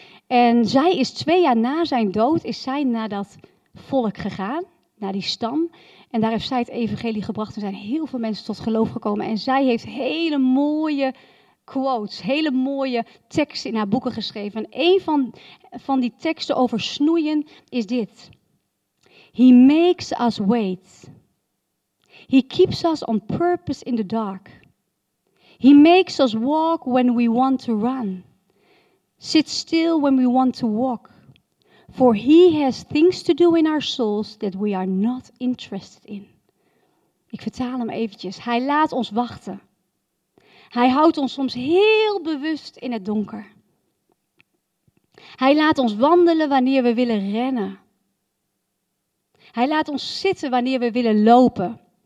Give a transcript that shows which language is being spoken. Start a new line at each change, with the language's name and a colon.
Dutch: En zij is 2 jaar na zijn dood, is zij naar dat volk gegaan, naar die stam. En daar heeft zij het evangelie gebracht. Er zijn heel veel mensen tot geloof gekomen. En zij heeft hele mooie quotes, hele mooie teksten in haar boeken geschreven. En een van die teksten over snoeien is dit.
English: He makes us wait. He keeps us on purpose in the dark. He makes us walk when we want to run. Sit still when we want to walk. For he has things to do in our souls that we are not interested in.
Dutch: Ik vertaal hem eventjes. Hij laat ons wachten. Hij houdt ons soms heel bewust in het donker. Hij laat ons wandelen wanneer we willen rennen. Hij laat ons zitten wanneer we willen lopen.